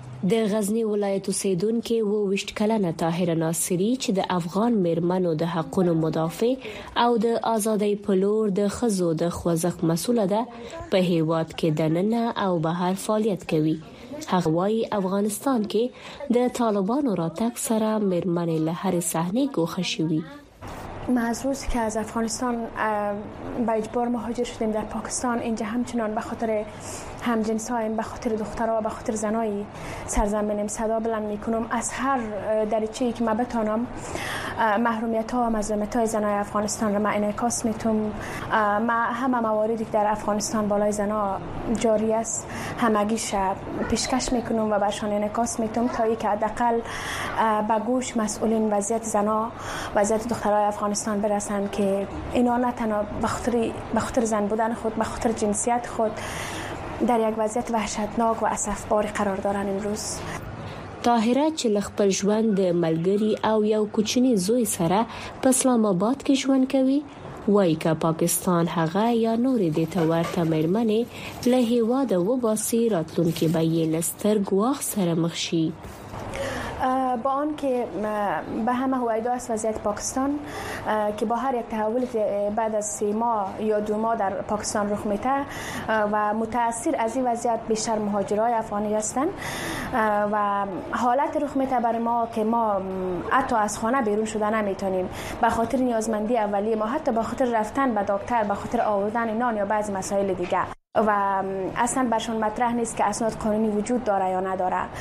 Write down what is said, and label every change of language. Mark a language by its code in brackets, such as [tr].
[ps] د غزنی ولایت سیدون کې و وشت کلنه طاهره ناصری چې د افغان میرمنو د حقونو مدافع او د ازادۍ پلور د خزو د خوځښ مسول ده په هیواد کې د ننه او بهر فعالیت کوي هغه وای افغانستان کې د طالبانو راتګ سره میرمنې له هر صحنې ګوښه شوې [fa] محسوس که از افغانستان به اجبار مهاجر شدیم در پاکستان، اینجا همچنان به خاطر همجنسایم، به خاطر دخترها، به خاطر زنای سرزمینم صدا بلند میکنم. از هر دریچه‌ای که ما بتانم محرومیت ها و مظلومیت های زنای افغانستان را ما انعکاس میتونم. ما همه مواردی که در افغانستان بالای زنا جاری است همگی شب پیشکش میکنم و برشان انعکاس میتونم تا اینکه حداقل به گوش مسئولین وضعیت زنا، وضعیت دخترای افغانستان برسن که اینا نه تنها بخاطر زن بودن خود، بخاطر جنسیت خود در یک وضعیت وحشتناک و اسفبار قرار دارن امروز. [ps] طاهره چې خپل ژوند د ملګری او یو کوچنی زوی سره په اسلام آباد کې ژوند کوي، وایي که پاکستان هغه یا نورې د ته ورته مېرمنې له هېواده وباسي، راتلونکې به یې له ستر ګواښ سره مخ شي. [fa] با آن که به همه هویدا است وضعیت پاکستان که با هر یک تحول بعد از 3 ماه یا 2 ماه در پاکستان رخ میده و متاثر از این وضعیت بیشتر مهاجرای افغانی هستند و حالت رخ میده بر ما که ما حتی از خانه بیرون شده نمیتونیم به خاطر نیازمندی اولیه ما، حتی به خاطر رفتن به دکتر، به خاطر آوردن نان یا بعضی مسائل دیگه، و اصلا برشان مطرح نیست که اسناد قانونی وجود داره یا نداره.